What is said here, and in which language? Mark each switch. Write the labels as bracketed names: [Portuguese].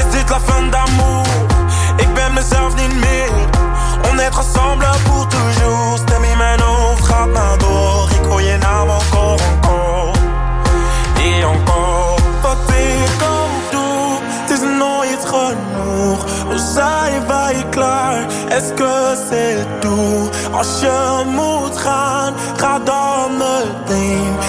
[French] La fin d'amour, [Dutch] ik ben mezelf niet meer. [French] On est ensemble pour toujours. [Dutch] Stem in mijn hoofd, gaat maar door. Ik hoor je naam [French] encore, encore. Et encore. [Dutch] Wat ik ook doe, het is nooit genoeg. Hoe zijn wij klaar? [French] Est-ce que c'est tout? [Dutch] Als je moet gaan, ga dan meteen.